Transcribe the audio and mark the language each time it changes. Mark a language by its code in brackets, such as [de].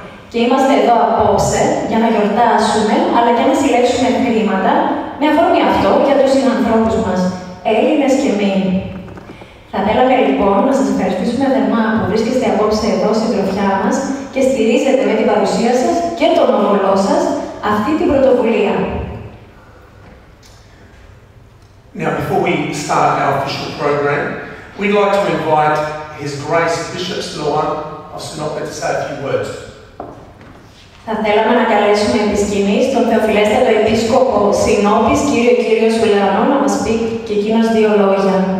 [el] Και είμαστε εδώ απόψε για να γιορτάσουμε, αλλά και να συλλέξουμε χρήματα, με αφορμή αυτό για τους συνανθρώπους μας, Έλληνες και μη. Θα θέλαμε λοιπόν να σας ευχαριστήσουμε θερμά που βρίσκεστε απόψε εδώ στην τροφιά μας και στηρίζετε με την παρουσία σας και τον όμιλό σας αυτή την πρωτοβουλία. [en] Yeah. before we start our official program, we'd like to invite His Grace Bishop Sloan of Sinope to say a few words. [el] Θα θέλαμε να καλέσουμε επισκηνής τον Θεοφιλέστατο Επίσκοπο Σινόπης, κύριο κύριος Βουλανό, να μας πει και εκείνος δύο λόγια.